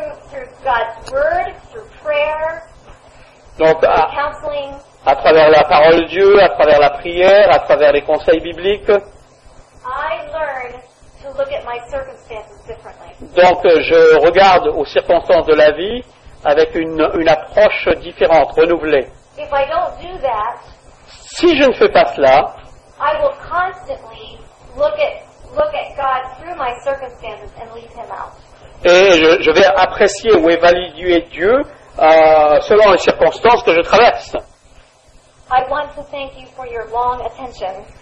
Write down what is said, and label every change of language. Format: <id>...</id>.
<en>Through God's word, through prayer,</en> <fr>donc</fr> <en>through counseling,</en> <fr>à travers la parole de Dieu, à travers la prière, à travers les conseils bibliques.</fr> <en>I learn to look at my circumstances differently.</en> <fr>Donc je regarde aux circonstances de la vie avec une approche différente, renouvelée.</fr> <en>If I don't do that,</en> <fr>si je ne fais pas cela,</fr> <en>I will constantly look at God through my circumstances and leave him out.</en> <fr>Et je vais apprécier ou évaluer Dieu selon les circonstances que je traverse.</fr> <en>I want to thank you for your long attention.</en>